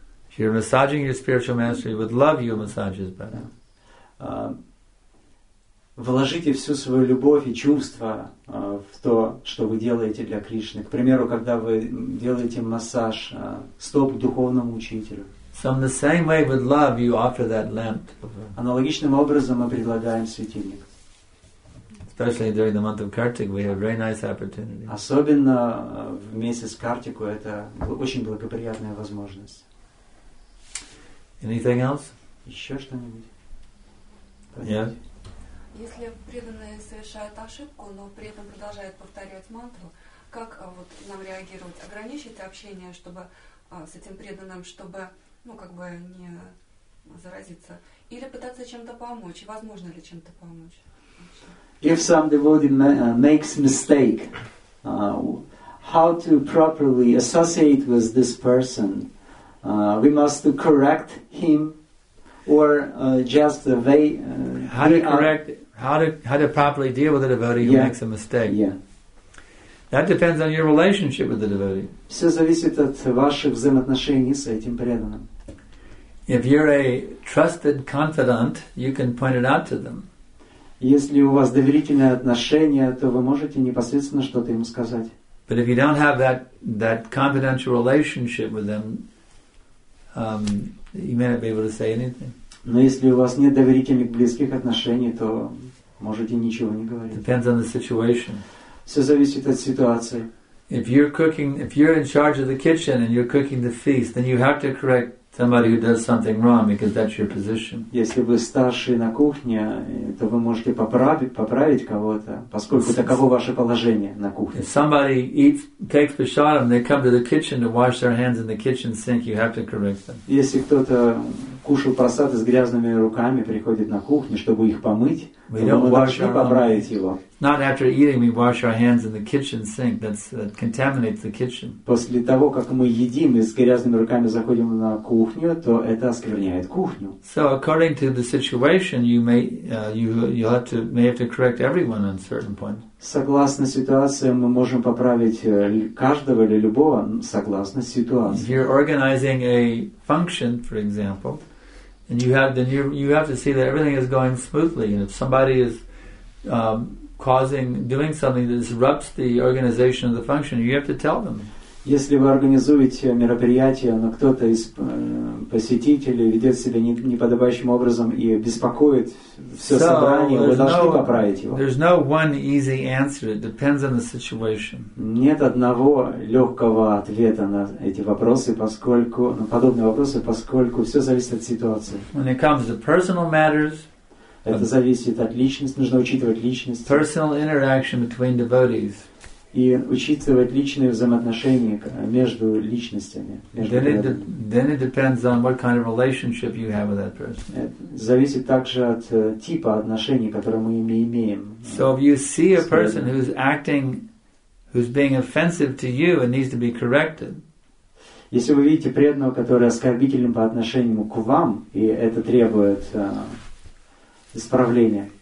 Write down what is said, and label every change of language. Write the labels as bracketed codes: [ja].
[en] If you're massaging your spiritual master, he would love you, massages better. [ru] Вложите всю свою любовь и чувства в то, что вы делаете для Кришны. К примеру, когда вы делаете массаж стоп духовному учителю. [en] So in the same way with love, you offer that lamp. [ru] Аналогичным образом мы предлагаем светильник. [en] Especially during the month of Kartik, we have a very nice opportunity. [ru] Особенно в месяц Картику это очень благоприятная возможность. [en] Anything else? [ru] Еще что-нибудь? [en] Yeah. [ru] Если преданный совершает ошибку, но при этом продолжает повторять мантру, как вот нам реагировать? Ограничить общение, чтобы с этим преданным, чтобы ну как бы не заразиться, или пытаться чем-то помочь? Возможно ли чем-то помочь? [en] If some devotee makes mistake, how to properly associate with this person? We must correct him, or just they. How to properly deal with a devotee who makes a mistake? Yeah. That depends on your relationship with the devotee. [ru] Все зависит от ваших взаимоотношений с этим преданным. [en] If you're a trusted confidant, you can point it out to them. [ru] Если у вас доверительные отношения, то вы можете непосредственно что-то ему сказать. [en] But if you don't have that confidential relationship with them. You may not be able to say anything. [ru] Но если у вас нет доверительных близких отношений, то можете ничего не говорить. [en] Depends on the situation. [ru] Все зависит от ситуации. [en] If you're cooking, if you're in charge of the kitchen and you're cooking the feast, then you have to correct somebody who does something wrong because that's your position. [ru] Если вы старший на кухне, то вы можете поправить кого-то, поскольку таково ваше положение на кухне. [en] If somebody takes prasadam, they come to the kitchen to wash their hands in the kitchen sink, you have to correct them. [ru] Если кто-то кушал прасад с грязными руками, приходит на кухню, чтобы их помыть, [en] we [ru] то мы должны поправить его. [en] Not after eating, we wash our hands in the kitchen sink. That contaminates the kitchen. [ru] После того, как мы едим и с грязными руками заходим на кухню, то это оскверняет кухню. [en] So according to the situation, you may have to correct everyone on a certain point. [ru] Согласно ситуации, мы можем поправить каждого или любого согласно ситуации. [en] If you're organizing a function, for example, and you have then you have to see that everything is going smoothly, and if somebody is doing something that disrupts the organization of the function, you have to tell them. [ru] Если вы организуете мероприятие, но кто-то из посетителей ведет себя неподобающим образом и беспокоит все собрание, вы должны поправить его. [en] There's no one easy answer. It depends on the situation. [ru] Нет одного легкого ответа на эти вопросы, поскольку на подобные вопросы, поскольку все зависит от ситуации. [en] When it comes to personal matters. [ru] Это зависит от личности, нужно учитывать личность. [en] Personal interaction between devotees. [ru] И учитывать личные взаимоотношения между личностями. [en] Then it depends on what kind of relationship you have with that person. [ru] Зависит также от типа отношений, которые мы имеем. [en] So if you see a person who's acting, who's being offensive to you and needs to be corrected. [ru] Если вы видите преданного, который оскорбительным по отношению к вам, и это требует исправления.